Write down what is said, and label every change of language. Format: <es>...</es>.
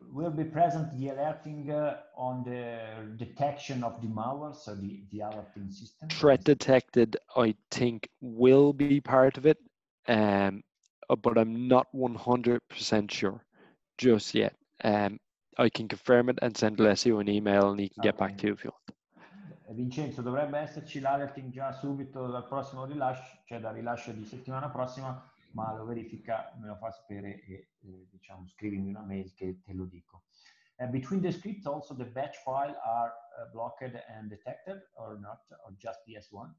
<en>Will be present the alerting on the detection of the malware, so the alerting system? Threat detected, I think, will be part of it, but I'm not 100% sure just yet. I can confirm it and send Alessio an email and he can get back to you if you want.</en> <it>Vincenzo, dovrebbe esserci l'alerting già subito dal prossimo rilascio, cioè dal rilascio di settimana prossima, ma lo verifica, me lo fa sapere e diciamo scrivimi una mail che te lo dico.</it> <en>Between the scripts also the batch file are blocked and detected or not, or just the S1?</en>